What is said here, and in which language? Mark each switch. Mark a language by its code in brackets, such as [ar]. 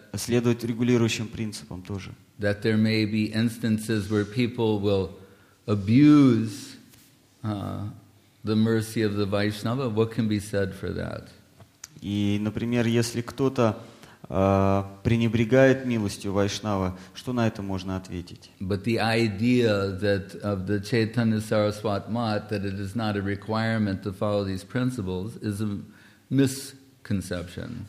[ru] следовать регулирующим принципам тоже. [en] That there may be instances where people will abuse the mercy of the Vaishnava. What can be said for that? [ru] И, например, если кто-то пренебрегает милостью Вайшнава, что на это можно ответить? [en] But the idea that of the Chaitanya Saraswat Mat, that it is not a requirement to follow these principles, is a misconception.